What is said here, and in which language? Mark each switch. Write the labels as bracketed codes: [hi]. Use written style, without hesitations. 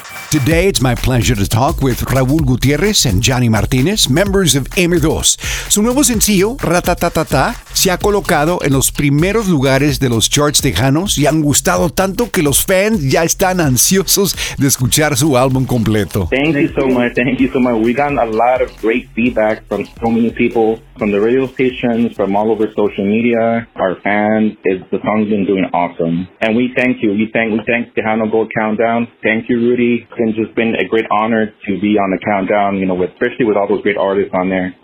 [en] Today, it's my pleasure to talk with Raúl Gutiérrez and Johnny Martinez, members of M2. [es] Su nuevo sencillo, Ratatatata, se ha colocado en los primeros lugares de los charts tejanos y han gustado tanto que los fans ya están ansiosos de escuchar su álbum completo. [en] Thank you so much. We got a lot of great feedback from so many people, from the radio stations, from all over social media, our fans. The song's been doing awesome. And we thank you. We thank Tejano Gold Countdown. Thank you, Rudy. It's just been a great honor to be on the countdown, you know, with, especially with all those great artists on there.